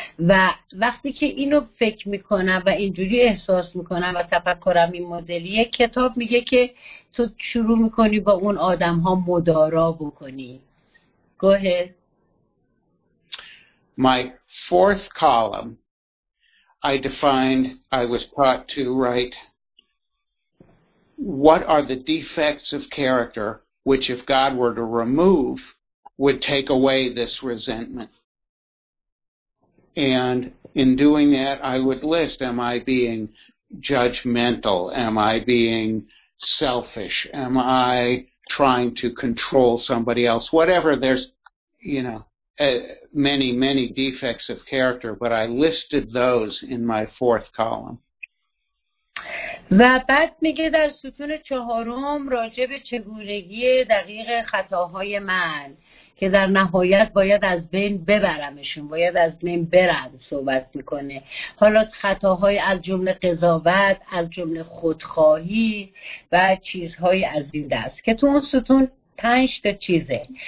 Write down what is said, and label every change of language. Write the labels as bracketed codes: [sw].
[fa] و وقتی که اینو فکر میکنم و اینجوری احساس میکنم و تفکرم این مدلیه، کتاب میگه که تو شروع میکنی با اون آدم ها مدارا بکنی. [en] Go ahead. My fourth column I defined, I was taught to write, what are the defects of character which, if God were to remove, would take away this resentment? And in doing that, I would list, am I being judgmental? Am I being selfish? Am I trying to control somebody else? Whatever, there's, you know, many, many defects of character, but I listed those in my fourth column. [fa] و بعد میگه در ستون چهارم راجع به چگونگی دقیق خطاهای من که در نهایت باید از بین ببرمشون، باید از بین برم صحبت میکنه. حالا خطاهای از جمله قضاوت، از جمله خودخواهی و چیزهای از این دست، که تو اون ستون 5 تا چیزه.